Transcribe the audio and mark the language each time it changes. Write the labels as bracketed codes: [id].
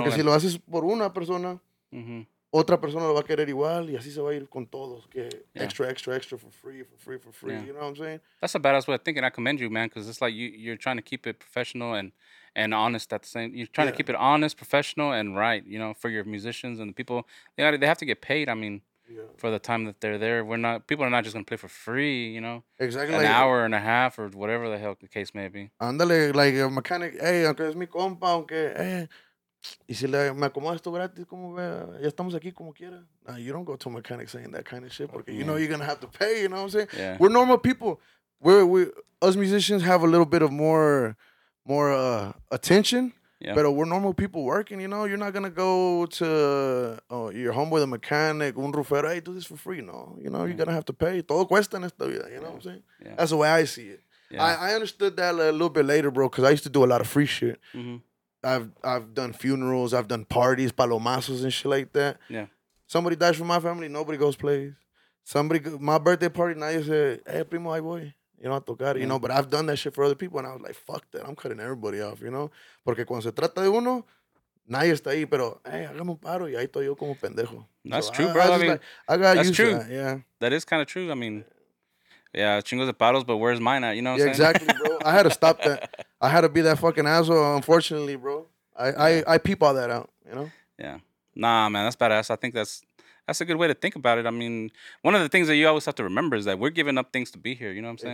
[es] Porque si lo haces por una persona, otra persona lo va a querer igual y así se va a ir con todos. [en] Que extra, extra, extra for free. Yeah. You know what I'm saying? That's a badass way of thinking. I commend you, man, because it's like you're trying to keep it professional and honest at the same. You're trying to keep it honest, professional, and right, you know, for your musicians and the people. They have to get paid, I mean. Yeah. For the time that they're there, people are not just gonna play for free, you know. Exactly, an hour and a half or whatever the hell the case may be. [es] Ándale, like a mechanic, aunque es mi compa, aunque, y si le me acomodo esto gratis, como ve, ya estamos aquí como quiera. [en] Nah, you don't go to a mechanic saying that kind of shit, porque you know you're gonna have to pay. You know what I'm saying? Yeah. We're normal people. Us musicians have a little bit of more attention. Yeah. But we're normal people working, you know? You're not going to go to your homeboy, the mechanic, un rufero, hey, do this for free, no. You know, you're going to have to pay. [es] Todo cuesta en esta vida, [en] you know what I'm saying? Yeah. That's the way I see it. Yeah. I understood that a little bit later, bro, because I used to do a lot of free shit. Mm-hmm. I've done funerals. I've done parties, palomazos and shit like that. Yeah. Somebody dies from my family, nobody goes plays. Somebody, my birthday party, nadie say, hey, primo, [es] ahí voy. [en] You know, I tocar, you know, but I've done that shit for other people, and I was like, fuck that, I'm cutting everybody off, you know? [es] Porque cuando se trata de uno, nadie está ahí, pero, hágame un paro, y ahí estoy yo como pendejo. [en] That's true, bro. I mean, that's true. Yeah. That is kind of true. I mean, yeah, [es] chingos de paros, [en] but where's mine at, you know what I'm saying? Exactly, bro. I had to stop that. I had to be that fucking asshole, unfortunately, bro. I peep all that out, you know? Yeah. Nah, man, that's badass. I think that's a good way to think about it. I mean, one of the things that you always have to remember is that we're giving up things to be here. You know what I'm saying?